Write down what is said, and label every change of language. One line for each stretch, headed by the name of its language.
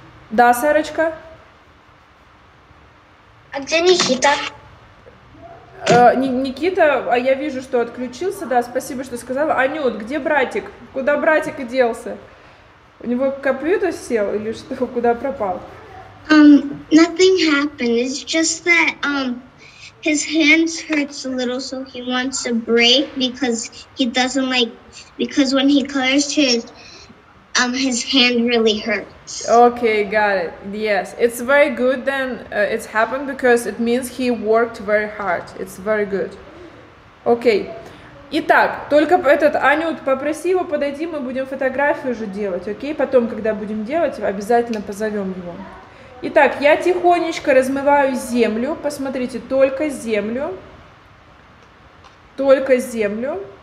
Russian: Да, Сарочка? А где Никита? Никита, а я вижу, что отключился, да, спасибо, что сказала. Анют, где братик? Куда братик и делся? У него компьютер сел или что? Куда пропал?
English: Nothing happened, it's just that... His hands hurts a little, so he wants a break because he doesn't like, because when he colors his hand really hurts. Okay, got it. Yes, it's very good then it's happened because it means he worked very hard. It's very good. Okay.
Russian: Итак, только этот, Анют, попроси его подойти, мы будем фотографию уже делать, окей?
English: Okay?
Russian: Потом, когда будем делать, обязательно позовем его. Итак, я тихонечко размываю землю. Посмотрите, только землю. Только землю.